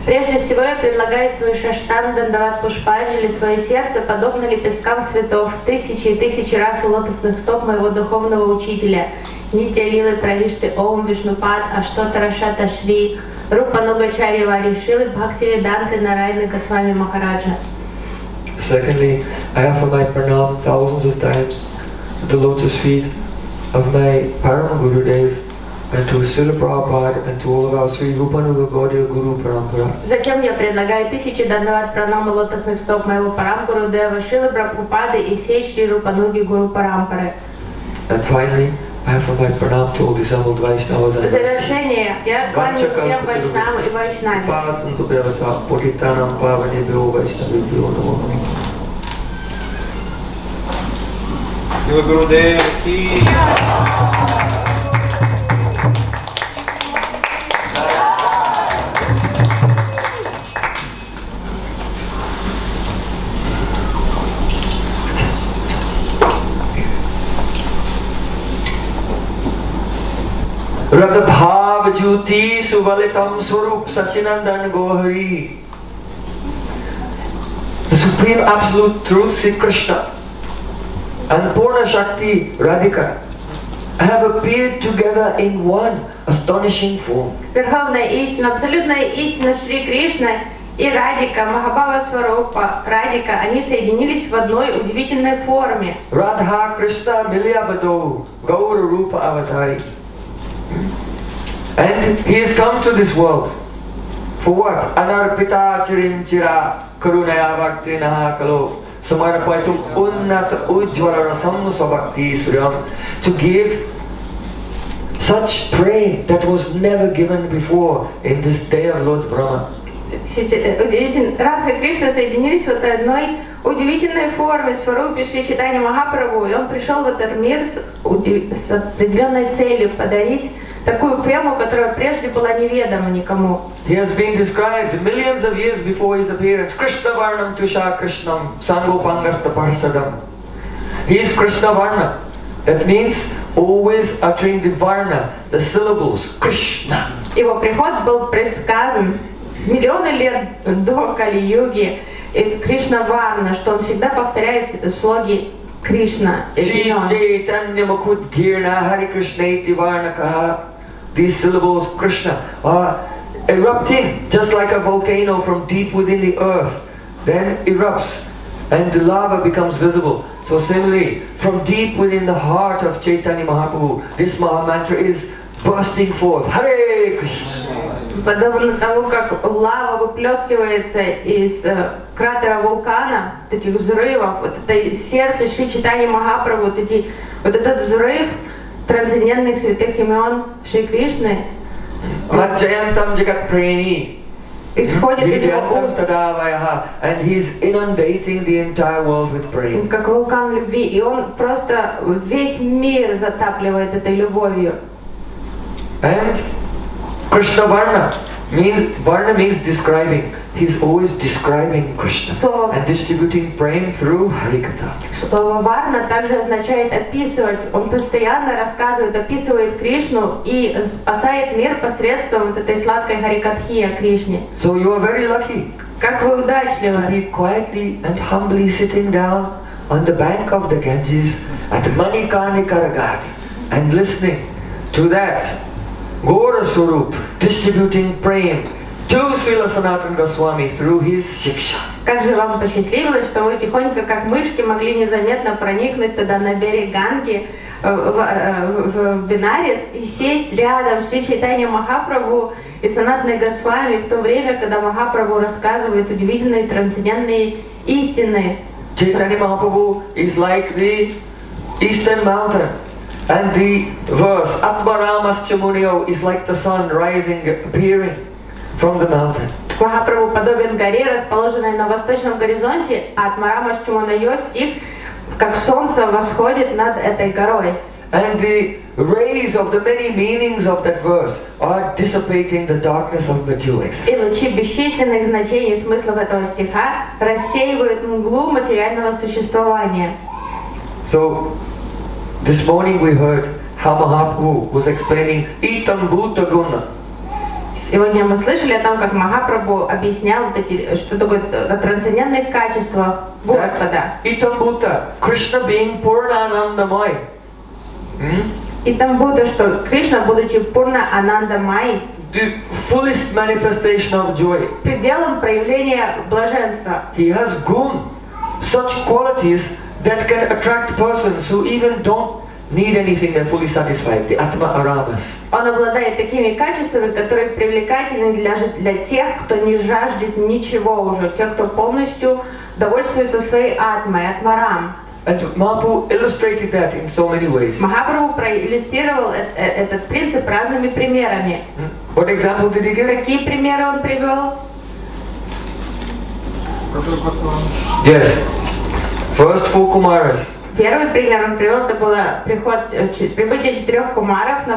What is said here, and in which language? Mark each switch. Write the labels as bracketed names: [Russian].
[Russian] Прежде всего я предлагаю свой шаштанг Дандават Пушпанджали, свое сердце, подобно лепесткам цветов, тысячи и тысячи раз у лотосных стоп моего духовного учителя. [Sanskrit] Нитя Лилы Правишты Ом Вишнупад Аштотарашата Шри Рупа Нугачарья Вари Шилы Бхакти Веданты Нарайны Госвами Махараджа. [English] Secondly, I offer my pranam thousands of times at the lotus feet of my Param Gurudev, and to Srila Prabhupada and to all of our Sri Rupanuga Gaudiya Guru Parampara. [Russian] Затем я предлагаю тысячи дандават пранамы лотосных стоп моего Парампуру Дева Шрилы Прабхупады и всей Шри Рупануги Гуру Парампары. [English] And finally, I offer my pranam to all disabled Vaishnavas and Vaishnavas. [Russian] Завершение. Я кланяюсь всем Вайшнавам и Вайшнаве. [Sanskrit] Пасам Тубеватва Пуританам Павани Бео Вайшнаве Бео Намамами. Шрила Гуру Дева Ки. Radhabhav Jyoti Suvalitam Swarup Sachinandan Gohari [English] The Supreme Absolute Truth, Sri Krishna, and Purna Shakti, Radhika, have appeared together in one astonishing form. [Russian] Верховная истина, абсолютная истина Шри Кришна и Радика, Махабхава Сварупа, Радика, они соединились в одной удивительной форме. [Sanskrit] Радха Кришна Милиабадоу, Гаура Рупа Аватари. [English] And he has come to this world. For what? [Sanskrit] Анарпита Чиринчира Карунаяя Бхактинаха Кало. Samarapaitum unnat ujjvara rasam svabhakti suryam, [English] to give such prey that was never given before in this day of Lord Brahma. [Russian] Радха и Кришна соединились в этой одной удивительной форме, в сварупе Шри Чайтанья Махапрабху, и он пришел в этот мир с определенной целью подарить такую прему, которая прежде была неведома никому. [English] He has been described millions of years before his appearance. [Sanskrit] Krishna Varnam Tusha Krishnam Sangopangasta Parsadam. [English] He is Krishna Varna. That means always uttering the Varna, the syllables, Krishna. [Russian] Его приход был предсказан миллионы лет до Кали-юги. И Krishna Varna, что он всегда повторяет слоги Krishna. [Sanskrit] Chaitanya Makut Girna Hare Krishna Iti Varna Kaha. [English] These syllables, Krishna, are erupting just like a volcano from deep within the earth, then erupts and the lava becomes visible. So similarly, from deep within the heart of Chaitanya Mahaprabhu, this Maha Mantra is bursting forth. [Sanskrit] Hare Krishna! [Russian] Подобно тому, как лава выплескивается из кратера вулкана, вот этих взрывов, вот это сердце Шри Чайтаньи Махапрабху, вот этот взрыв трансцендентных святых имен Шри Кришны. [Sanskrit] Маджаянтам джигат прени. [Russian] Исходит из его уст. [English] And he's inundating the entire world with prey. [Russian] Как вулкан любви. И он просто весь мир затапливает этой любовью. [English] And Krishna Varna means, Varna means describing. He's always describing Krishna and distributing prema through Harikatha. [Russian] Слово Варна также означает описывать. Он постоянно рассказывает, описывает Кришну и спасает мир посредством вот этой сладкой Харикатхи о Кришне. [English] So you are very lucky. [Russian] Как вы удачливы. [English] To be quietly and humbly sitting down on the bank of the Ganges at Manikarnika Ghat and listening to that Gaura Swarup distributing prema to Srila Sanatana Goswami through his shiksha. [Russian] Как же вам посчастливилось, что вы тихонько, как мышки, могли незаметно проникнуть тогда на берег Ганги в Бенарес и сесть рядом с Шри Чайтанья Махапрабху и Санатаной Госвами в то время, когда Махапрабху рассказывает удивительные трансцендентные истины. [English] Чайтанья Махапрабху is like the eastern mountain. And the verse Atmaramaschamunio is like the sun rising, appearing from the mountain. [Russian] Махапрабху подобен горе, расположенной на восточном горизонте, а Атмарамаschamunio стих, как солнце восходит над этой горой. [English] And the rays of the many meanings of that verse are dissipating the darkness of material existence. [Russian] И лучи бесчисленных значений и смыслов этого стиха рассеивают мглу материального существования. [English] So this morning we heard how Mahaprabhu was explaining Itam Bhuta Guna. [Russian] Сегодня мы слышали о том, как Махапрабху объяснял вот эти, что такое о трансцендентных качествах Господа. [English] Itam Bhuta, Krishna being Purna Anandamai. [Russian] Itam Bhuta, что Кришна, будучи Пурна Анандамай, [English] the fullest manifestation of joy. [Russian] Пределом проявления блаженства. [English] He has gun, such qualities that can attract persons who even don't need anything, they're fully satisfied, the Atma Aramas. [Russian] Он обладает такими качествами, которые привлекательны для тех, кто не жаждет ничего уже, тех, кто полностью довольствуется своей Атмой, Атмарам. [English] And Mahaprabhu illustrated that in so many ways. [Russian] Махапрабху проиллюстрировал этот принцип разными примерами. [English] What example did he give? [Russian] Какие примеры он привел? [English] Yes. First four kumaras. [Russian] Первый пример он привел, это было прибытие четырех кумаров на